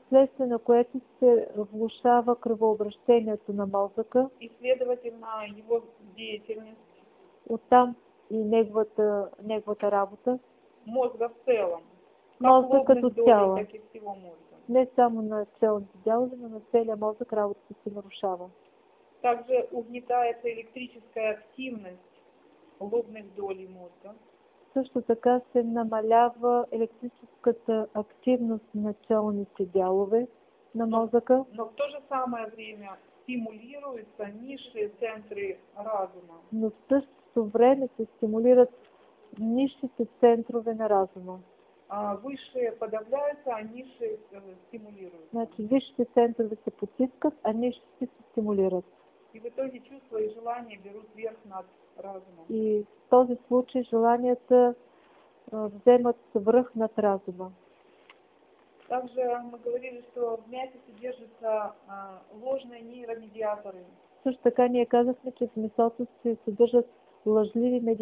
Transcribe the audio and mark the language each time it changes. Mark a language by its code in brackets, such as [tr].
[bg] Следствие на което се влушава кръвообращението на мозъка. [ru] И следователно его деятельность. [bg] Оттам и неговата работа. [ru] Мозга в целом. [bg] Мозъка като цяло. [ru] Так и всего мозга. [bg] Не само на целните дялове, но на целия мозък работата се нарушава. [ru] Также угнетается электрическая активность лобных долей мозга. [bg] Също така се намалява електрическата активност на челните дялове на мозъка. [ru] Но в то же самое время стимулируются низшие центры разума. [bg] Но в същото време се стимулират низшите центрове на разума. [ru] А высшие подавляются, а низшие стимулируются. [bg] Значи висшите центрове се потискат, а низшите се стимулират. [ru] И в итоге чувства и желания берут верх над разумом. [bg] И в този случай желанията вземат връх над разума. [ru] Также мы говорили, что в мясе содержатся ложные нейромедиаторы. [bg] Също така ние казахме, че в месото се съдържат лъжливи